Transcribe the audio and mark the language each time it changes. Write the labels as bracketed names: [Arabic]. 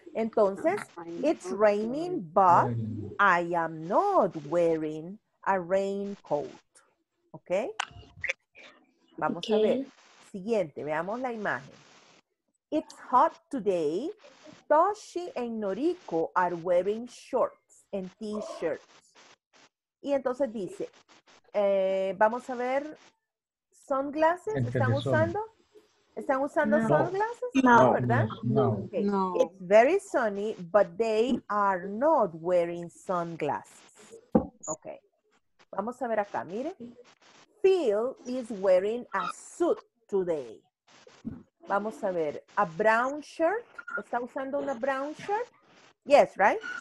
[English] Entonces, it's raining, but I am not wearing a raincoat. [Spanish] ¿Ok? Vamos a ver. Siguiente, veamos la imagen. [English] It's hot today. Toshi and Noriko are wearing shorts and t-shirts. [Spanish] Y entonces dice, vamos a ver, sunglasses, ¿están usando? ¿Están usando no. sunglasses? No, no, ¿verdad? No. [English] Okay. No. It's very sunny, but they are not wearing sunglasses. Okay. [Spanish] Vamos a ver acá, mire. [English] Phil is wearing a suit today. [Spanish] Vamos a ver, a brown shirt. ¿Está usando una brown shirt? [English] Yes, right?